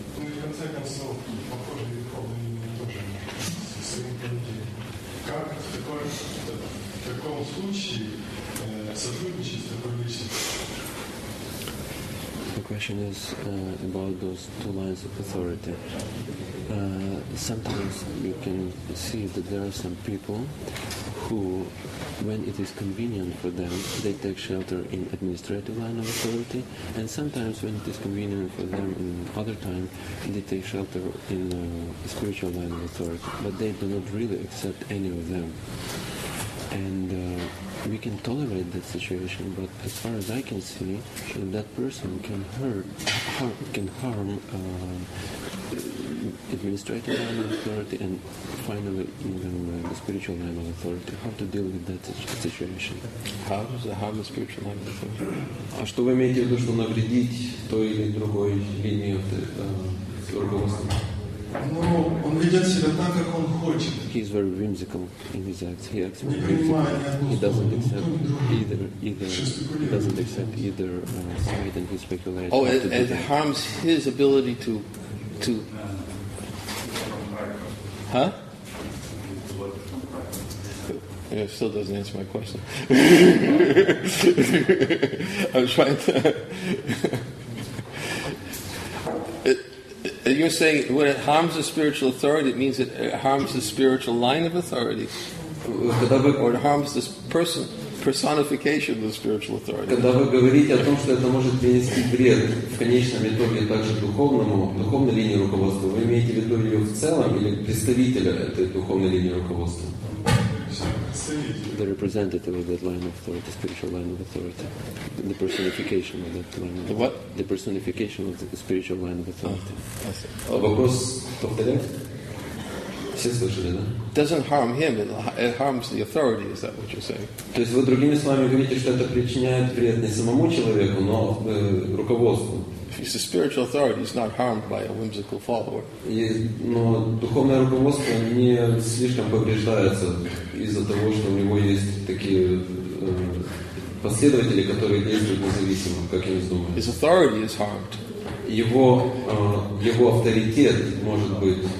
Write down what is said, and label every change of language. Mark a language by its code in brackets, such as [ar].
[ru] Ну и в конце концов, похоже, верховная линия тоже своим поведением. Как в таком случае сотрудничать с такой личностью? [en] The question is about those two lines of authority. Sometimes you can see that there are some people who, when it is convenient for them, they take shelter in administrative line of authority, and sometimes when it is convenient for them in other time, they take shelter in spiritual line of authority, but they do not really accept any of them. We can tolerate that situation, but as far as I can see, that person can harm administrative line of authority and finally even the spiritual line of authority. How to deal with that situation? How does it harm the spiritual line of authority? [ru] А что вы имеете в виду, что навредить той или другой линии руководства? Ну, он ведет себя так, как он хочет. [en] He is very whimsical in his acts. He acts very whimsical. He doesn't accept either. He doesn't accept either side, and he speculates. Oh, it harms his ability to. Huh? It still doesn't answer my question. I'm trying to. You're saying when it harms the spiritual authority, it means it harms the spiritual line of authority, or it harms the personification of the spiritual authority. [ru] Когда вы говорите о том, что это может принести вред в конечном итоге также духовной линии руководства, вы имеете в виду ее в целом или представителя этой духовной линии руководства? [en] The representative of that line of authority, the spiritual line of authority, the personification of that line of the what? The personification of the spiritual line of authority. [ru] Вопрос повторяет? Все слышали, да? [en] Doesn't harm him, it harms the authority, is that what you're saying? [ru] То есть вы другими словами говорите, что это причиняет вред не самому человеку, но руководству. [en] It's the spiritual authority is not harmed by a whimsical follower. [ru] Но духовное руководство не слишком повреждается из-за того, что у него есть такие последователи, которые действуют независимо, как я думаю. [en] His authority is harmed. [ru] Его авторитет может быть.